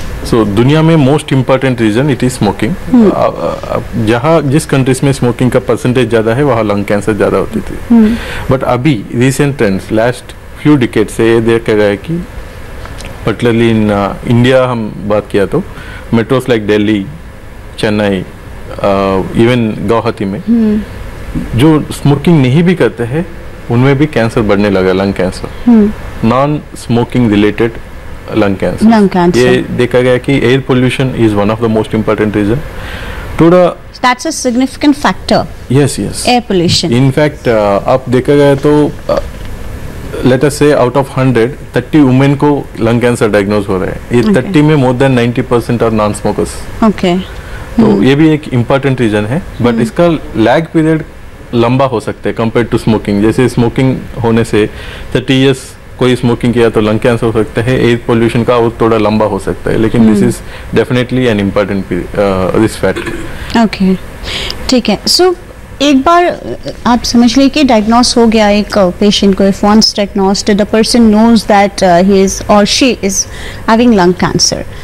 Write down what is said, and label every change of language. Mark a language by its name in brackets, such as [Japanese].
[Hindi] सो दुनिया में [English] most important reason it is smoking [Hindi] जहाँ जिस कंट्रीज में स्मोकिंग का परसेंटेज ज्यादा है वहाँ लंग कैंसर ज्यादा होती थी बट अभी recent trends last few decade से ये देखा गया है कि पर्टिकुलरली इन इंडिया हम बात किया तो metros like Delhi Chennai even Guwahati में जो स्मोकिंग नहीं भी करते हैं उनमें भी कैंसर बढ़ने लगा, lung cancer, non smoking related lung cancer. ये देखा गया कि [English] Air pollution is one of the most important reason to the That's a significant factor. Yes, yes. Air pollution. In fact, [Hindi] आप देखा गया तो [English] let us say out of 100, 30 women [Hindi] को [English] lung cancer diagnose [Hindi] हो रहा है. ये 30 में [English] more than 90% are non-smokers. Okay. [Hindi] तो ये भी एक important reason है. But इसका lag period लंबा हो सकता है [English] compared to smoking. [Hindi] जैसे smoking होने से 30 years कोई स्मोकिंग किया तो लंग कैंसर हो सकता है, एयर पोल्यूशन का और थोड़ा लंबा हो सकता है, लेकिन [English] This is definitely an important risk factor. [Hindi] Okay, ठीक है। सो एक बार आप समझ लीजिए कि डायग्नोस हो गया एक पेशेंट को, [English] If once diagnosed the person knows that he is और she is having lung cancer.